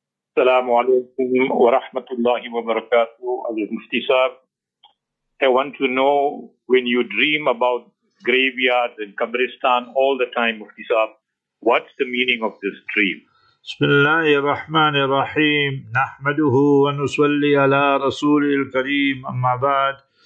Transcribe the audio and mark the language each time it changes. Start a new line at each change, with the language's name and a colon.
Arabic: السلام عليكم ورحمة الله وبركاته.
English: المفتي صاحب, I want to know when you dream about graveyards and Qabristan all the time, Mufti Saab, what's the meaning of this dream?
Arabic: بسم الله الرحمن الرحيم نحمده ونصلي على رسول الكريم أما بعد.